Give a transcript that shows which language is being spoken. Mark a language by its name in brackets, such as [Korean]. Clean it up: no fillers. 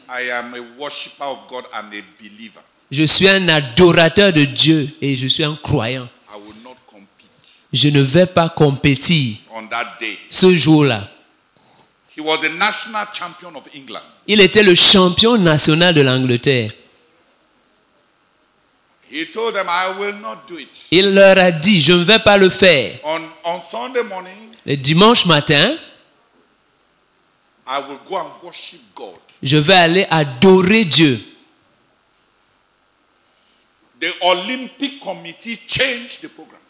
[English] I am a worshipper of God and a believer. [French] Je suis un adorateur de Dieu et je suis un croyant. [English] I will not compete. [French] Je ne vais pas compétir ce jour-là. [English] He was the national champion of England. [French] Il était le champion national de l'Angleterre. [English] He told them, I will not do it. [French] Il leur a dit, je ne vais pas le faire. [English] On Sunday morning, [French] le dimanche matin, [English] I will go and worship God. [French] Je vais aller adorer Dieu. [English] The Olympic Committee changed the program.